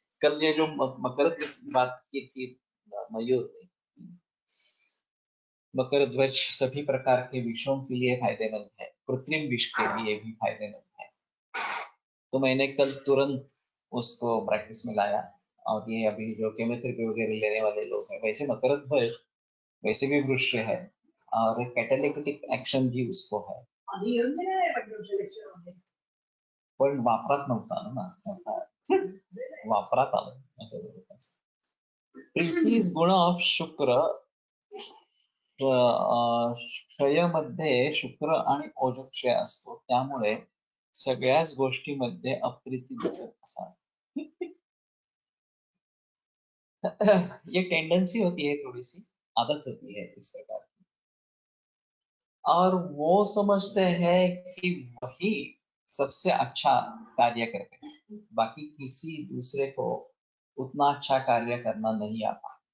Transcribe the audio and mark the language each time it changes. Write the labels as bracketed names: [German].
[Hindi] कल ये जो मकर बात की थी, मयूर मकर ध्वज सभी प्रकार के विषों के लिए फायदेमंद है, कृत्रिम विष के लिए भी फायदेमंद, तो मैंने कल तुरंत उसको प्रैक्टिस में लाया। और ये अभी जो केमोथेरेपी वगैरह लेने वाले लोग हैं, वैसे मकर ध्वज वैसे भी वृक्ष है और एक कैटालिटिक एक्शन भी उसको है, अभी [Marathi] पर वापरत नव्हता ना, वापरत आलं प्रीति इज गुण ऑफ शुक्र, क्षय मध्ये शुक्र आणि ओजः क्षय असतो, त्यामुळे सगळ्याच गोष्टीमध्ये अप्रीती दिसत असावी। [Hindi] ये टेंडन्सी होती है, थोड़ी सी आदत होती है इस प्रकार की। और वो समझते हैं कि वही सबसे अच्छा कार्य करते हैं, बाकी किसी दूसरे को उतना अच्छा कार्य करना नहीं आता।